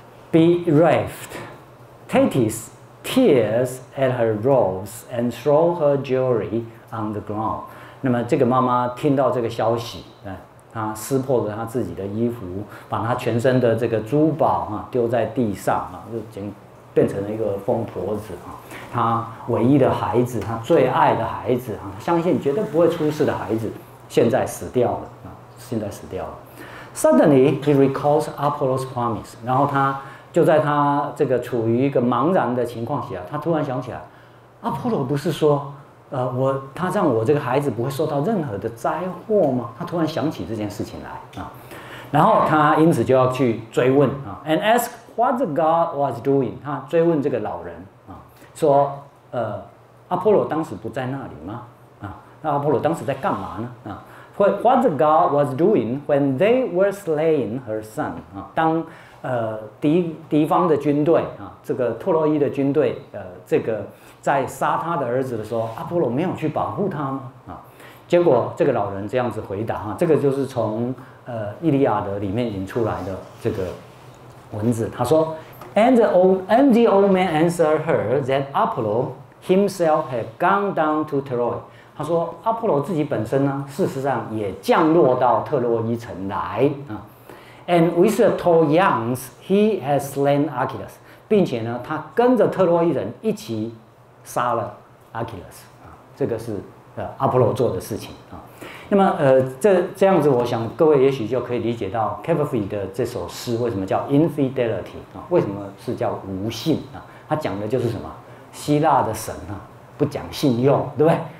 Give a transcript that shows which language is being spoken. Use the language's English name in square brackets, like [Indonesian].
[English] Bereft, Thetis tears at her robes and throw her jewelry on the ground. [Chinese] 那么这个妈妈听到这个消息，啊，她撕破了她自己的衣服，把她全身的这个珠宝啊丢在地上啊，就变成了一个疯婆子啊。他唯一的孩子，他最爱的孩子，相信绝对不会出事的孩子，现在死掉了，现在死掉了。 [English] Suddenly he recalls Apollo's promise， [Chinese] 然后他就在他这个处于一个茫然的情况下，他突然想起来，阿波罗不是说，他让我这个孩子不会受到任何的灾祸吗？他突然想起这件事情来啊，然后他因此就要去追问啊 ， [English] and ask what the god was doing， [Chinese] 他追问这个老人。说，阿波罗当时不在那里吗？啊，那阿波罗当时在干嘛呢？ [English] 啊 ，What the god was doing when they were slaying her son？ [Chinese] 啊，当敌方的军队啊，这个特洛伊的军队，这个在杀他的儿子的时候，阿波罗没有去保护他吗？啊，结果这个老人这样子回答哈，啊，这个就是从《伊利亚德》里面引出来的这个文字，他说。 [English] And the old man answered her that Apollo himself had gone down to Troy. [Chinese] 他说阿波罗自己本身呢，事实上也降落到特洛伊城来啊。 [English] And with the Trojans, he has slain Achilles. [Chinese] 并且呢，他跟着特洛伊人一起杀了 Achilles 啊。这个是阿波罗做的事情啊。那么这样子我想各位也许就可以理解到 Kevafi 的这首诗为什么叫 infidelity 啊，为什么是叫无信啊，他讲的就是什么希腊的神啊不讲信用，对不对？